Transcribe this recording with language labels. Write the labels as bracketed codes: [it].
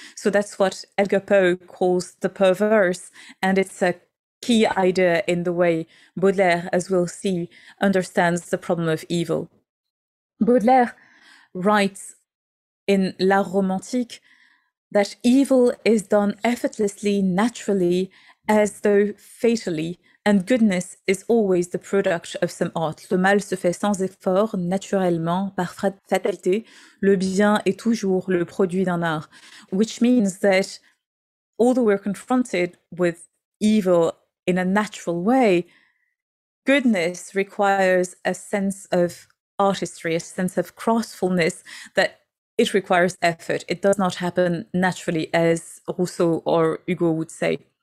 [en] So that's what Edgar Poe calls the perverse. And it's a key idea in the way Baudelaire, as we'll see, understands the problem of evil. Baudelaire writes in L'Art Romantique that evil is done effortlessly, naturally, as though fatally, and goodness is always the product of some art. [fr] Le mal se fait sans effort, naturellement, par fatalité. Le bien est toujours le produit d'un art. [en] Which means that although we're confronted with evil in a natural way, goodness requires a sense of artistry, a sense of craftfulness, that it requires effort. It does not happen naturally, as Rousseau or Hugo would say.